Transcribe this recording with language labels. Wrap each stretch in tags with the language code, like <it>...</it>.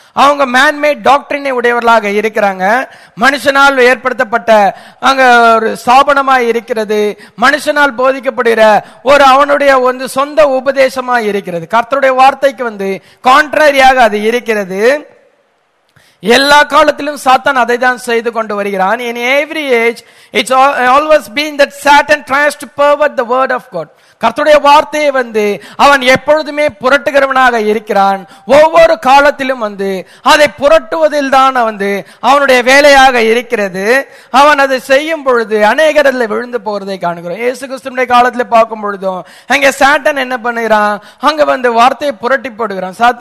<ta>அவங்க</ta> <en>man made டாக்டரினை</en> <ta>உடையவர்களாக இருக்கிறாங்க. மனுஷனால் ஏற்படுத்தப்பட்ட அங்க ஒரு ஸ்தாபனமாக இருக்கிறது, மனுஷனால் போதிக்கப்படுகிற ஒரு அவனுடைய வந்து சொந்த உபதேசமா இருக்கிறது. கர்த்தருடைய வார்த்தைக்கு வந்து கான்ட்ராரியாக அது இருக்கிறது. எல்லா காலத்திலும் சாத்தான் அதை தான் செய்து கொண்டு வருகிறான்.</ta> <en>In every age, it's always been that Satan tries to pervert the word of God.</en> <ta>கர்த்தருடைய வார்த்தையை வந்து அவன் எப்பொழுதுமே புரட்டுகிறவனாக இருக்கிறான். ஒவ்வொரு காலத்திலும் வந்து அதை புரட்டுவதில் தான் வந்து அவனுடைய வேலையாக இருக்கிறது. அவன் அதை செய்யும் பொழுது அநேகர் அதில் விழுந்து போறதை காணுகிறோம். இயேசு கிறிஸ்துவின் காலத்தில் பார்க்கும் பொழுதும் அங்கே சாத்தான் என்ன பண்ணுகிறான், அங்க வந்து வார்த்தையை புரட்டி போடுகிறான்.</ta>